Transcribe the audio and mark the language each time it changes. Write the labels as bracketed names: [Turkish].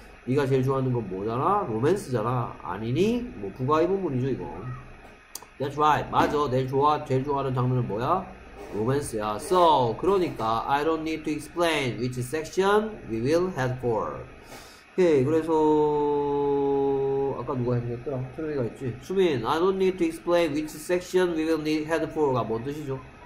[Korean] 네가 제일 좋아하는 건 뭐잖아? 로맨스잖아. 아니니? 뭐 부가의 부분이죠 이거. [English] That's right. [Korean] 맞아. 제일 좋아하는 장르는 뭐야? 로맨스야. [English] So [Korean] 그러니까 [English] I don't need to explain which section we will head for. [Korean] 오케이. 그래서 아까 누가 했더라? 수민이가 했지. [English] 수민, I don't need to explain which section we will need head for가 [Korean] 뭔 뜻이죠?